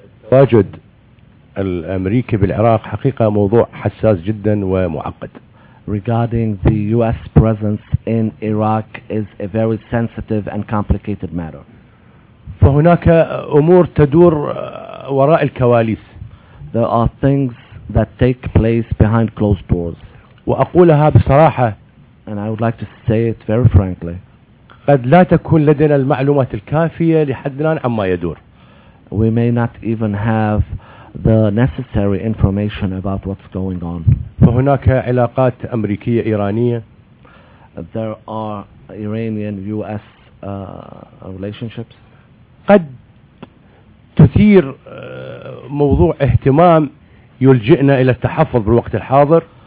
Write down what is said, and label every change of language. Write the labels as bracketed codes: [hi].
[ar] تواجد الأمريكي بالعراق حقيقة موضوع حساس جدا ومعقد. [en] Regarding the U.S. presence in Iraq is a very sensitive and complicated matter. [ar] فهناك أمور تدور وراء الكواليس. [en] There are things that take place behind closed doors. [ar] وأقولها بصراحة. [en] And I would like to say it very frankly. [ar] قد لا تكون لدينا المعلومات الكافية لحد الآن عما يدور. [en] We may not even have the necessary information about what's going on. [ar] فهناك علاقات أمريكية إيرانية. [en] There are Iranian-U.S. Relationships. [ar] قد تثير موضوع اهتمام يلجئنا إلى التحفظ بالوقت الحاضر.